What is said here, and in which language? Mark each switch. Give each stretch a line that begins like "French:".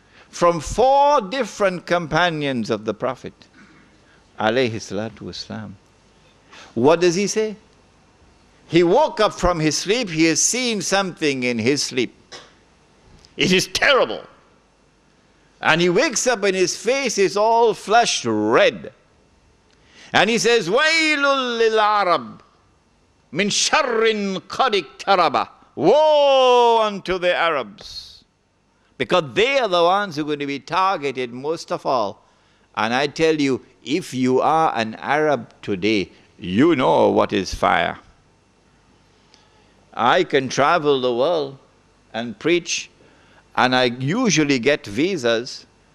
English: From four different companions of the Prophet alayhi salatu wasalam. What does he say? He woke up from his sleep. He has seen something in his sleep. It is terrible. And he wakes up and his face is all flushed red. And he says,
Arabic: وَيْلٌ لِلْعَرَبِ مِنْ شَرٍ قَدِكْ تَرَبَ.
English: Woe unto the Arabs. Because they are the ones who are going to be targeted most of all. And I tell you, if you are an Arab today, you know what is fire. I can travel the world and preach, and I usually get visas.